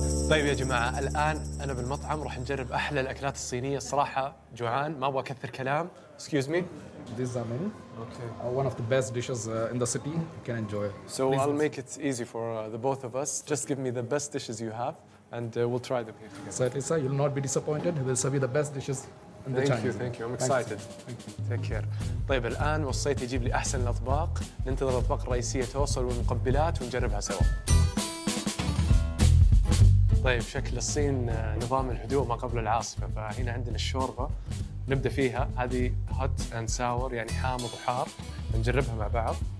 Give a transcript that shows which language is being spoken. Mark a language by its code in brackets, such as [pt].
[ar] طيب يا جماعة، الآن أنا بالمطعم، راح نجرب أحلى الأكلات الصينية. الصراحة جوعان، ما أبغى أكثر كلام. [en] Excuse me. This is a menu. Okay. One of the best dishes in the city. You can enjoy. So please, I'll make it easy for the both of us. Just give me the best dishes you have, and we'll try them here together. So, Lisa, you'll not be disappointed. We'll serve you the best dishes in the Chinese. Thank you. I'm excited. Thank you. Take care. [ar] طيب الآن وصيت يجيب لي أحسن الأطباق. ننتظر الأطباق الرئيسية توصل والمقبلات ونجربها سوا. طيب شكل الصين نظام الهدوء ما قبل العاصفة، فهنا عندنا الشوربة نبدأ فيها. هذه [en] hot and sour، [ar] يعني حامض وحار. نجربها مع بعض.